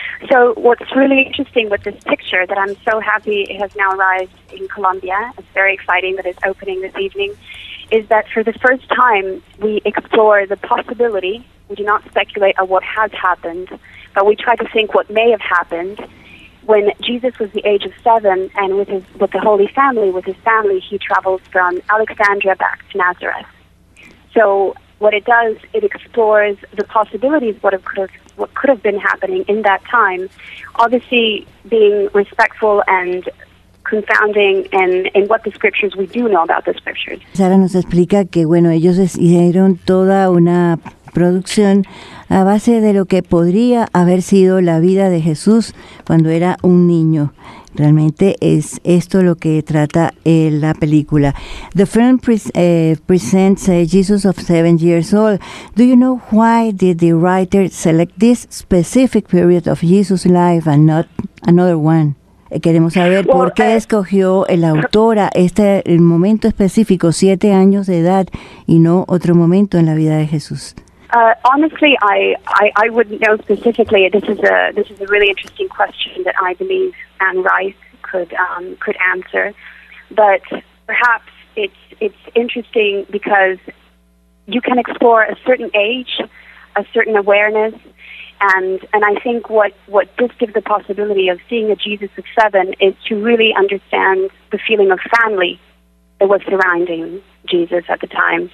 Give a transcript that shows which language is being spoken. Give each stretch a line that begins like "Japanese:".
English: So what's really interesting with this picture that I'm so happy it has now arrived in Colombia, it's very exciting that it's opening this evening, is that for the first time we explore the possibility, we do not speculate on what has happened, but we try to think what may have happened when Jesus was the age of 7 and with his family, he travels from Alexandria back to Nazareth. So what it does, it explores the possibilities what could have been happening in that time, obviously being respectful and confounding in what the scriptures we do know about the scriptures.
Spanish: Sara nos explica que bueno, ellos hicieron toda una producción a base de lo que podría haber sido la vida de Jesús cuando era un niño. Realmente es esto lo que trata la película.
English: The film presents Jesus of 7 years old. Do you know why did the writer select this specific period of Jesus' life and not another one?
Spanish: Queremos saber por qué escogió la autora este el momento específico, 7 años de edad, y no otro momento en la vida de Jesús.
English: Honestly, I wouldn't know specifically. This is a really interesting question that I believe Anne Rice could answer. But perhaps it's interesting because you can explore a certain age, a certain awareness, and I think what this gives the possibility of seeing a Jesus of 7 is to really understand the feeling of family that was surrounding Jesus at the time.